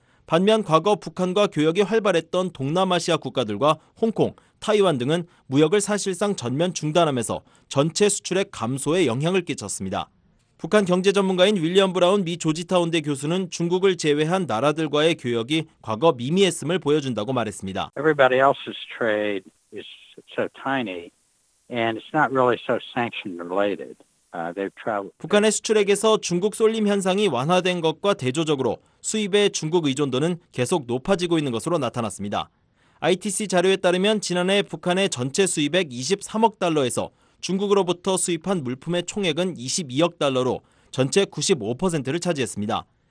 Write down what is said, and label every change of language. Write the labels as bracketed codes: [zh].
[ko] 반면 과거 북한과 교역이 활발했던 동남아시아 국가들과 홍콩, 타이완 등은 무역을 사실상 전면 중단하면서 전체 수출액 감소에 영향을 끼쳤습니다. 북한 경제 전문가인 윌리엄 브라운 미 조지타운대 교수는 중국을 제외한 나라들과의 교역이 과거 미미했음을 보여준다고 말했습니다. [en] Everybody else's trade is so tiny and it's not really so sanction related. [ko] 북한의 수출액에서 중국 쏠림 현상이 완화된 것과 대조적으로 수입의 중국 의존도는 계속 높아지고 있는 것으로 나타났습니다. ITC 자료에 따르면 지난해 북한의 전체 수입액 23억 달러에서 중국으로부터 수입한 물품의 총액은 22억 달러로 전체 95%를 차지했습니다.